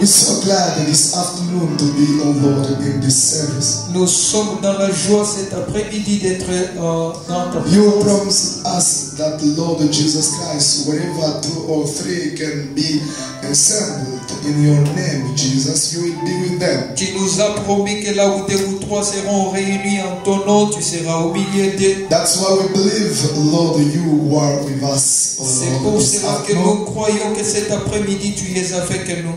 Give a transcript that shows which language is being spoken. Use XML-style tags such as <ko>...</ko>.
<en>We're so glad this afternoon to be on board in this service.</en> <fr>Nous sommes dans la joie cet après-midi d'être dans ta.</fr> <en>You promised us that the Lord Jesus Christ, wherever two or three can be assembled in your name, Jesus, you will be with them.</en> <fr>Tu nous as promis que là où deux ou trois seront réunis en ton nom, tu seras au milieu d'eux.</fr> <en>That's why we believe, Lord, you are with us.</en> <fr>Croyons que cet après-midi tu es avec nous.</fr>